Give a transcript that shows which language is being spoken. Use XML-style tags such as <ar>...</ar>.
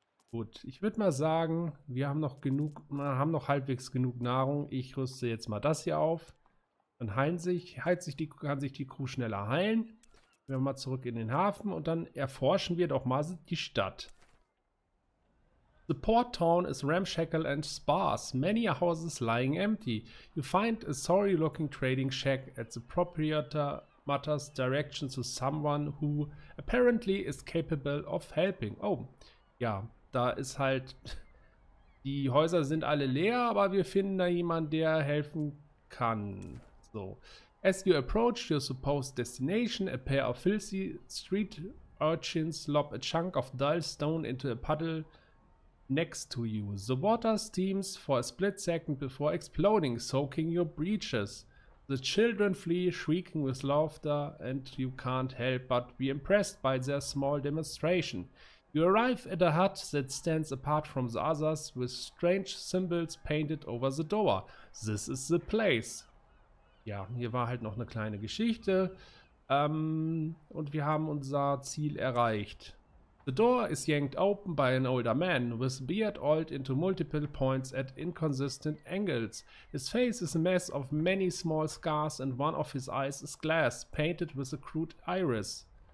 <de>Gut, ich würde mal sagen, wir haben noch genug, wir haben noch halbwegs genug Nahrung. Ich rüste jetzt mal das hier auf. Dann kann sich die Crew schneller heilen. Gehen wir mal zurück in den Hafen und dann erforschen wir doch mal die Stadt.</de> <en>The port town is ramshackle and sparse, many houses lying empty. You find a sorry looking trading shack at the proprietor Mutters direction to someone who apparently is capable of helping.</en> <de>Oh, ja, da ist halt, die Häuser sind alle leer, aber wir finden da jemanden, der helfen kann.</de> <en>So, as you approach your supposed destination, a pair of filthy street urchins lob a chunk of dull stone into a puddle next to you. The water steams for a split second before exploding, soaking your breeches. The children flee, shrieking with laughter, and you can't help but be impressed by their small demonstration. You arrive at a hut that stands apart from the others, with strange symbols painted over the door. This is the place.</en> <de>Ja, hier war halt noch eine kleine Geschichte. Und wir haben unser Ziel erreicht.</de> <en>The door is yanked open by an older man, with beard oiled into multiple points at inconsistent angles. His face is a mess of many small scars and one of his eyes is glass, painted with a crude iris.</en>